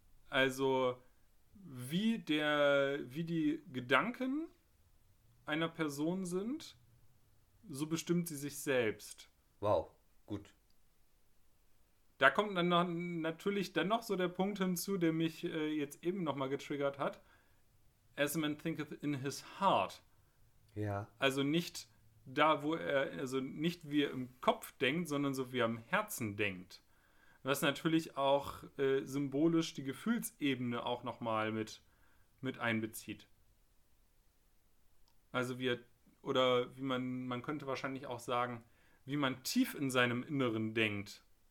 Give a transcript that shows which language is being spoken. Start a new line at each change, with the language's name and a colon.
German: Also wie die Gedanken einer Person sind, so bestimmt sie sich selbst. Wow, gut. Da kommt dann noch, natürlich dann noch so der Punkt hinzu, der mich jetzt eben nochmal getriggert hat.
English: As a man thinketh in his heart.
German: Ja. Also nicht da, wo er, also nicht wie er im Kopf denkt, sondern so wie er im Herzen denkt. Was natürlich auch symbolisch die Gefühlsebene auch nochmal mit einbezieht. Also oder wie man könnte wahrscheinlich auch sagen, wie man tief in seinem Inneren denkt.